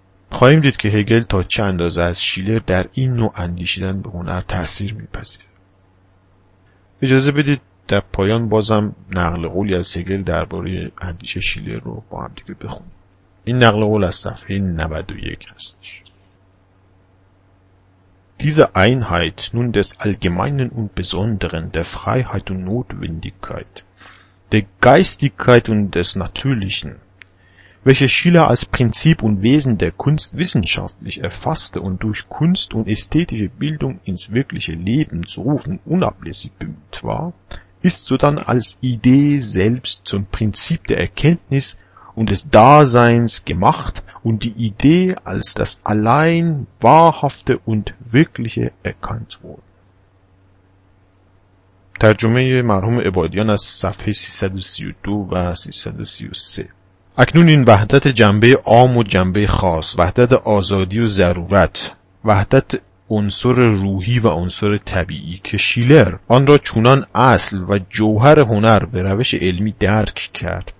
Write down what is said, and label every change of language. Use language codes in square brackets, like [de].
[fa] خواهیم دید که هگل تا چه اندازه از شیلر در این نوع اندیشیدن به هنر تأثیر میپذیره. اجازه بدید در پایان بازم نقل قولی از هگل درباره اندیشه شیلر رو با هم دیگه بخونیم. این نقل قول از صفحه 91 هستش. [de] Diese Einheit nun des Allgemeinen und Besonderen, der Freiheit und Notwendigkeit, der Geistigkeit und des Natürlichen, welche Schiller als Prinzip und Wesen der Kunst wissenschaftlich erfasste und durch Kunst und ästhetische Bildung ins wirkliche Leben zu rufen unablässig bemüht war, ist sodann als Idee selbst zum Prinzip der Erkenntnis und des Daseins gemacht und die Idee als das allein wahrhafte und wirkliche erkannt worden. [fa] ترجمه مرحوم عبادیان از صفحه 332 و 333. اکنون این وحدت جنبه عام و جنبه خاص، وحدت آزادی و ضرورت، وحدت عنصر روحی و عنصر طبیعی که شیلر آن را چونان اصل و جوهر هنر به روش علمی درک کرد،